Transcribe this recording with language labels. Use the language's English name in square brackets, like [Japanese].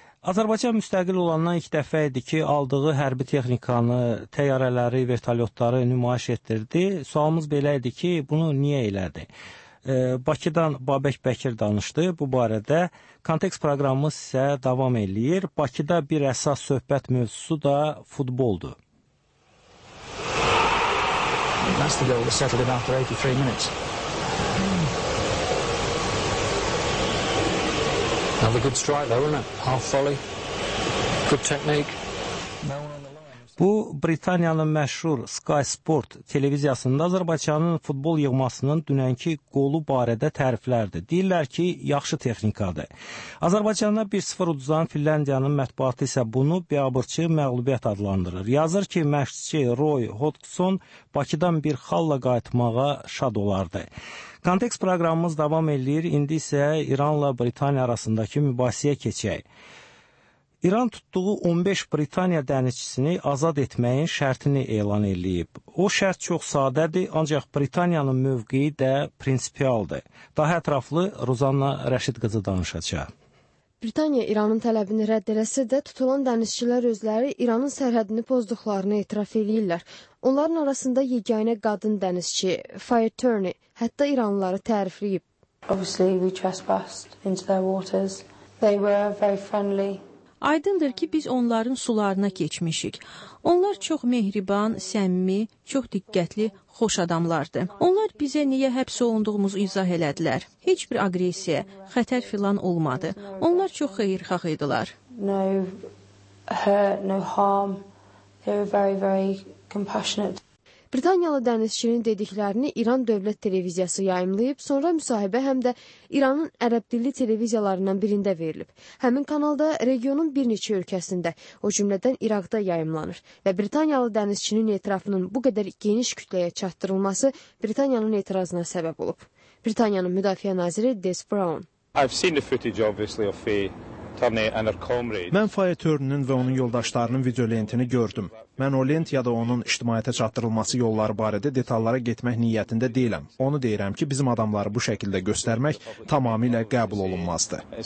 [Azerbaijani] Azərbaycan müstəqil olandan ilk dəfə idi ki, aldığı hərbi texnikanı, təyyarələri, vertolyotları nümayiş etdirdi. Sualımız belə idi ki, bunu niyə elədi? Bakıdan Babək Bəkir danışdı bu barədə. Kontekst proqramı sizə davam eləyir. Bakıda bir əsas söhbət mövzusu da futboldur. [English] That's the goal that settled in after 83 minutes. Another good strike though, isn't it? Half volley. Good technique. [Azerbaijani] Bu, Britaniyanın məşhur Sky Sport televiziyasında Azərbaycanın futbol yığmasının dünənki qolu barədə təriflərdir. Deyirlər ki, yaxşı texnikadır. Azərbaycanda 1-0 uduzan Finlandiyanın mətbuatı isə bunu biabırçı məğlubiyyət adlandırır. Yazır ki, məşqçi Roy Hodgson Bakıdan bir xalla qayıtmağa şad olardı. Kontekst proqramımız davam edir. İndi isə İranla Britaniya arasındakı mübahisəyə keçək. İran tutduğu 15 Britaniya dənizçisini azad etməyin şərtini elan edib. O şərt çox sadədir, ancaq Britaniyanın mövqeyi də prinsipialdır. Daha ətraflı Ruzanna Rəşid qızı danışacaq. Britaniya İranın tələbini rədd eləsə də tutulan dənizçilər özləri İranın sərhədini pozduqlarını etiraf edirlər. Onların arasında yeganə qadın dənizçi, Fire Turney, hətta İranlıları tərifləyib. [English] Obviously we trespassed into their waters. They were very friendly. [Azerbaijani] Aydındır ki, biz onların sularına keçmişik. Onlar çox mehriban, səmimi, çox diqqətli, xoş adamlardır. Onlar bizə niyə həbs olunduğumuzu izah elədilər. Heç bir aqressiya, xətər filan olmadı. Onlar çox xeyirxah idilər. [English] No hurt, no harm. They were very, very compassionate. [Azerbaijani] Britaniyalı dənizçinin dediklərini İran Dövlət Televiziyası yayımlayıb, sonra müsahibə həm də İranın ərəb dilli televiziyalarından birində verilib. Həmin kanalda regionun bir neçə ölkəsində, o cümlədən İraqda yayımlanır və Britaniyalı dənizçinin etirafının bu qədər geniş kütləyə çatdırılması Britaniyanın etirazına səbəb olub. Britaniyanın müdafiə naziri Des Brown. [English] I've seen the footage obviously of a [Azerbaijani] Mən Fire Turner'ın və onun yoldaşlarının video lentini gördüm. Mən o lent ya da onun ictimaiyyətə çatdırılması yolları barədə detallara getmək niyyətində deyiləm. Onu deyirəm ki, bizim adamları bu şəkildə göstərmək tamamilə qəbul olunmazdır.